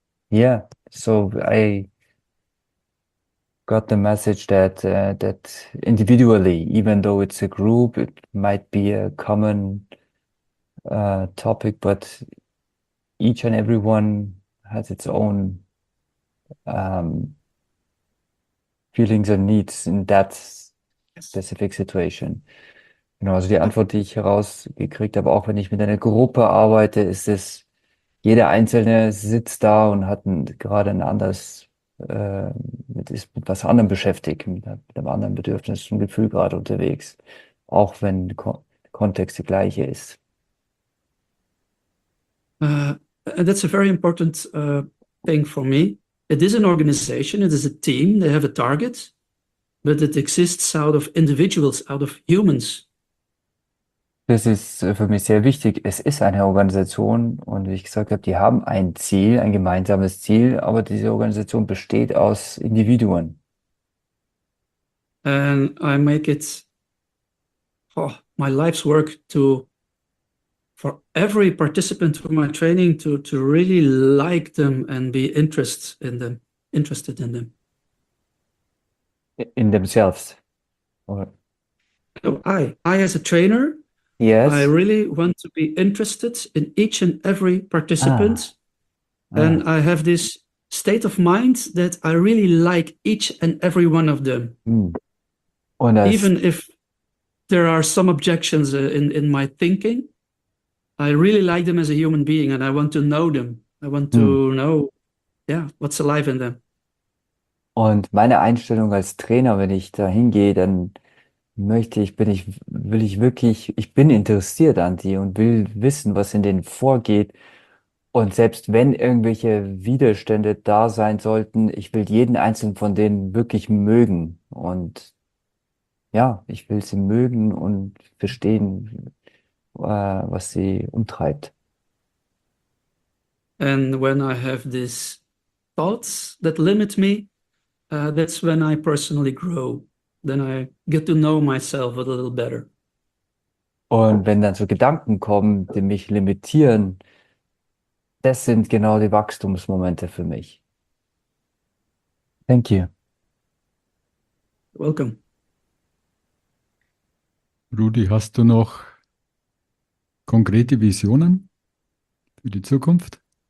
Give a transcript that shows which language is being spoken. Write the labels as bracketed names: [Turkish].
[English] Yeah, so I got the message that that individually, even though it's a group, it might be a common topic, but each and everyone has its own feelings and needs in that specific situation. [German] Genau, also die Antwort, die ich herausgekriegt habe, auch wenn ich mit einer Gruppe arbeite, ist es, jeder Einzelne sitzt da und hat gerade ein anderes, ist mit was anderem beschäftigt, mit einem anderen Bedürfnis und Gefühl gerade unterwegs, auch wenn der Kontext der gleiche ist. [English] And that's a very important thing for me. It is an organization, it is a team, they have a target, but it exists out of individuals, out of humans. [German] Das ist für mich sehr wichtig. Es ist eine Organisation und wie ich gesagt habe, die haben ein Ziel, ein gemeinsames Ziel, aber diese Organisation besteht aus Individuen. [English] And I make it my life's work to. For every participant for my training to really like them and be interested in them. In themselves. Or So I as a trainer, I yes. really want to be interested in each and every Ah. participant, and Ah. I have this state of mind that I really like each and every one of them, [German] Und das. [English] even if there are some objections in my thinking. I really like them as a human being and I want to know them. I want to know, yeah, what's alive in them. [German] Und meine Einstellung als Trainer, wenn ich da hingehe, dann möchte ich, bin ich, will ich wirklich, ich bin interessiert an die und will wissen, was in denen vorgeht. Und selbst wenn irgendwelche Widerstände da sein sollten, ich will jeden einzelnen von denen wirklich mögen. Und ja, ich will sie mögen und verstehen, was sie umtreibt. [English] And when I have these thoughts that limit me, that's when I personally grow. Then I get to know myself a little better. [German] Und wenn dann so Gedanken kommen, die mich limitieren, das sind genau die Wachstumsmomente für mich. [English] Thank you. Welcome. [German] Rudi, hast du noch konkrete Visionen für die Zukunft?